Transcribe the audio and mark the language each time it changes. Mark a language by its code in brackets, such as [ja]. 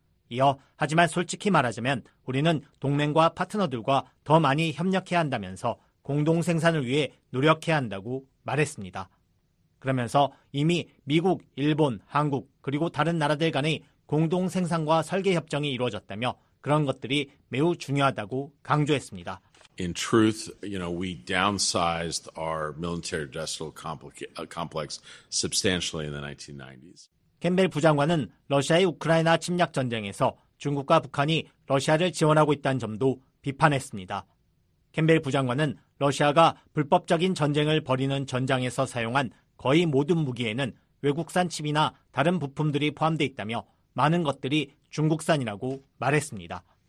[ko] 이어 하지만 솔직히 말하자면 우리는 동맹과 파트너들과 더 많이 협력해야 한다면서 공동 생산을 위해 노력해야 한다고 말했습니다. 그러면서 이미 미국, 일본, 한국 그리고 다른 나라들 간의 공동 생산과 설계 협정이 이루어졌다며 그런 것들이 매우 중요하다고 강조했습니다. [en] In truth, you know, we downsized our military industrial complex substantially in the 1990s. [ko] 캠벨 부장관은 러시아의 우크라이나 침략 전쟁에서 중국과 북한이 러시아를 지원하고 있다는 점도 비판했습니다. 캠벨 부장관은 러시아가 불법적인 전쟁을 벌이는 전장에서 사용한 거의 모든 무기에는 외국산 칩이나 다른 부품들이 포함돼 있다며 많은 것들이 중국산이라고 말했습니다.